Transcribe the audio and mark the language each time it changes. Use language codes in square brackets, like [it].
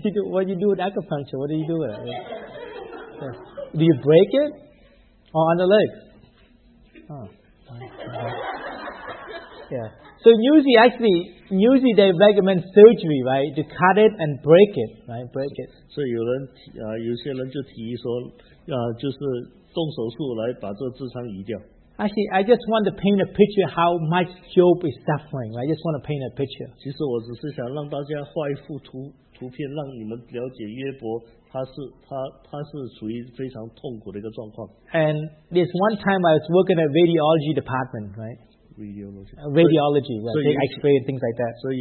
[en] What do you do with acupuncture? What do you do with it? Yeah. Do you break it? Or on the leg? Oh. Yeah. So usually, actually, usually they recommend surgery, right? To cut it and break it, right? Break it. [zh] So 有些人就提议说，就是动手术来把这个痔疮移掉。 [en] Actually, I just want to paint a picture how much Job is suffering. I just want to paint a picture. [zh] 其实我只是想让大家画一幅图片，让你们了解约伯，他是属于非常痛苦的一个状况。 [en] And this one time I was working at radiology department, right? Radiology. Radiology, yeah, things like that.